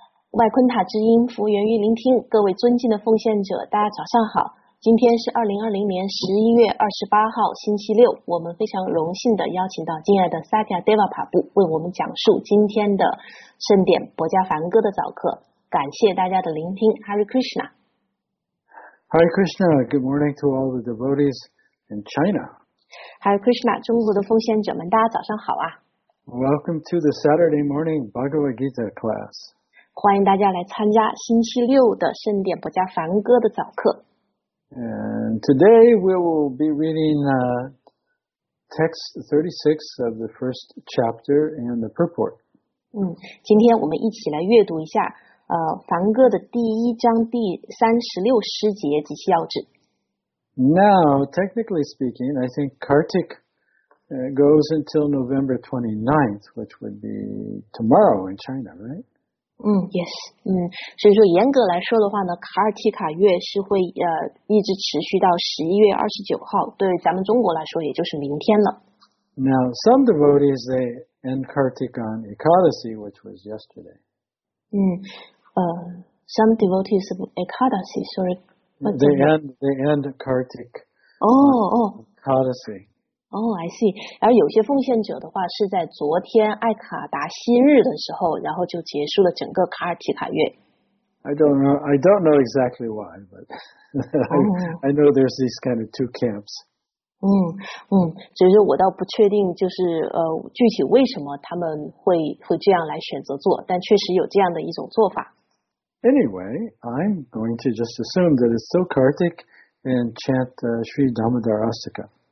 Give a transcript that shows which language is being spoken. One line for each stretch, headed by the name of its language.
Chinese: 外昆塔之音，服务员玉聆听，各位尊敬的奉献者，大家早上好。今天是2020年11月28号，星期六。我们非常荣幸的邀请到敬爱的萨迦·德瓦帕布为我们讲述今天的圣典《博迦梵歌》的早课。感谢大家的聆听 ，Hare Krishna。
English: Hare Krishna, good morning to all the devotees in China.
Chinese: Hare Krishna, 中国的奉献者们，大家早上好啊。
English: Welcome to the Saturday morning Bhagavad Gita class.
Chinese: 欢迎大家来参加星期六的圣典博迦梵歌的早课。
English: And today we will be reading text 36 of the first chapter and the purport.
Chinese: 今天我们一起来阅读一下梵歌的第一章第36诗节及其要旨。
English: Now, technically speaking, I think Kartik goes until November 29th, which would be tomorrow in China, right? Yes.
Chinese: 所以说严格来说的话呢，卡尔提卡月是会一直持续到11月29号，对咱们中国来说也就是明天了。
English: Now, some devotees, they end Kartik on Ekadasi, which was yesterday. Some devotees of Ekadasi, sorry. They end Kartik. Ekadasi. Oh, I see.
Chinese: 而有些奉献者的话是在昨天艾卡达西日的时候，然后就结束了整个卡尔提卡月。
English: I don't know exactly why, but I know there's these kind of two camps.
Chinese: 所以说我倒不确定，就是具体为什么他们会这样来选择做，但确实有这样的一种做法。
English: Anyway, I'm going to just assume that it's still Kartik and chant Sri Damodar Astika.